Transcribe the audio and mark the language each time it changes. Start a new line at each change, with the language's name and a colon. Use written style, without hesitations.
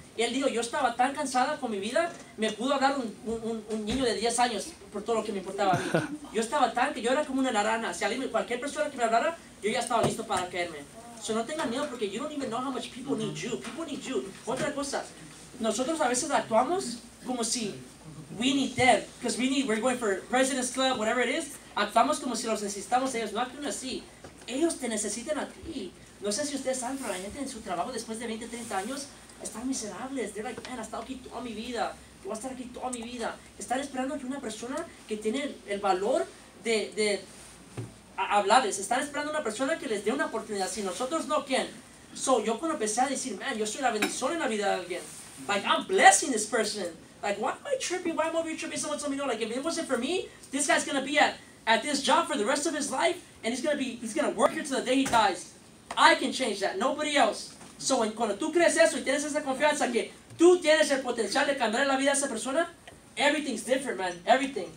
Spanish: Y él dijo, yo estaba tan cansada con mi vida, me pudo hablar un niño de 10 años por todo lo que me importaba a mí. Yo estaba tan, que yo era como una naranja. Si alguien, cualquier persona que me hablara, yo ya estaba listo para caerme.
English: So
Spanish: no tengan miedo porque
English: you don't even know how much people need you. People need you.
Spanish: Otra cosa, nosotros a veces actuamos como si
English: we need them. Because we need, we're going for President's Club, whatever it is.
Spanish: Actuamos como si los necesitamos a ellos. No actúen así. Ellos te necesitan a ti. No sé si ustedes saben, pero la gente en su trabajo después de 20, 30 años están miserables.
English: They're like, man,
Spanish: he estado aquí toda mi vida. Voy a estar aquí toda mi vida. Están esperando que una persona que tiene el valor de hablarles. Están esperando una persona que les dé una oportunidad. Si nosotros no, ¿quién? So, yo cuando empecé a decir, man, yo soy la bendición en la vida de alguien.
English: Like, I'm blessing this person. Like, why am I tripping? Why am I over here tripping? Someone told me no. Like, if it wasn't for me, this guy's going to be at this job for the rest of his life. And he's going to work here till the day he dies. I can change that. Nobody else. So when,
Spanish: cuando tú crees eso y tienes esa confianza que tú tienes el potencial de cambiar la vida de esa persona,
English: everything's different, man. Everything.